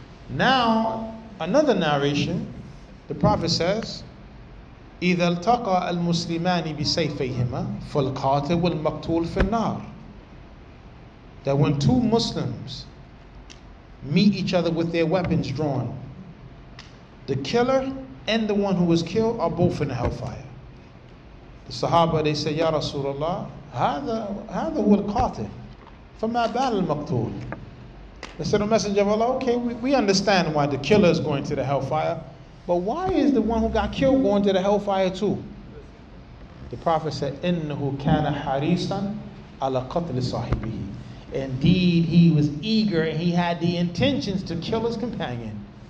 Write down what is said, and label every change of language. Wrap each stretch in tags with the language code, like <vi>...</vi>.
<en>Now, another narration, the Prophet says,</en> <ar>إِذَا الْتَقَى الْمُسْلِمَانِ بِسَيْفَيْهِمَا فَالْقَاتِلُ وَالْمَقْتُولُ فِي النَّارِ.</ar> <en>That when two Muslims meet each other with their weapons drawn, the killer and the one who was killed are both in the hellfire. The Sahaba, they say,</en> <ar>Ya Rasulullah, هذا هو القاتل فما بال المقتول.</ar> <en>They said, the Messenger of Allah, okay, we understand why the killer is going to the hellfire, but why is the one who got killed going to the hellfire too? The Prophet said,</en> <ar>إِنَّهُ كَانَ حَرِيصًا عَلَى قَتْلِ صَاحِبِهِ.</ar> <en>Indeed, he was eager and he had the intentions to kill his companion.</en>